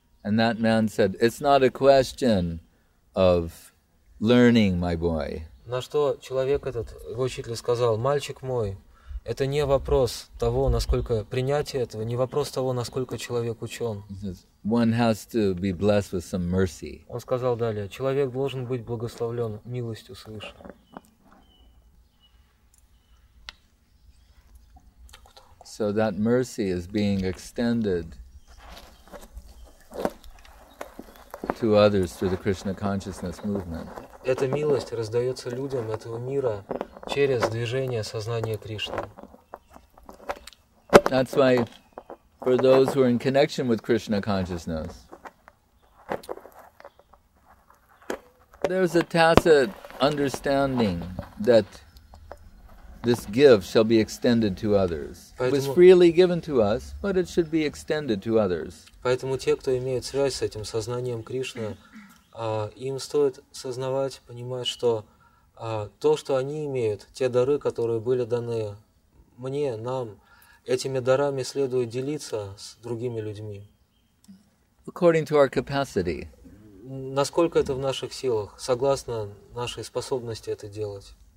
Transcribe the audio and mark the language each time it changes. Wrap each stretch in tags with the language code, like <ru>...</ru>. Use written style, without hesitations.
<en>And that man said, it's not a question of learning, my boy.</en> <ru>На что человек этот, его учитель сказал, мальчик мой, это не вопрос того, насколько принятие этого, не вопрос того, насколько человек учен.</ru> <en>One has to be blessed with some mercy.</en> <ru>Он сказал далее, человек должен быть благословлен милостью свыше.</ru> <en>So that mercy is being extended to others through the Krishna consciousness movement.</en> <ru>Эта милость раздается людям этого мира через движение сознания Кришны.</ru> <en>That's why for those who are in connection with Krishna consciousness, there's a tacit understanding that this gift shall be extended to others. It was freely given to us, but it should be extended to others.</en> <ru>Поэтому те, кто имеет связь с этим сознанием Кришны, им стоит сознавать, понимать, что то, что они имеют, те дары, которые были даны мне, нам, этими дарами следует делиться с другими людьми.</ru> <en>According to our capacity.</en> <ru>Насколько это в наших силах, согласно нашей способности это делать.</ru>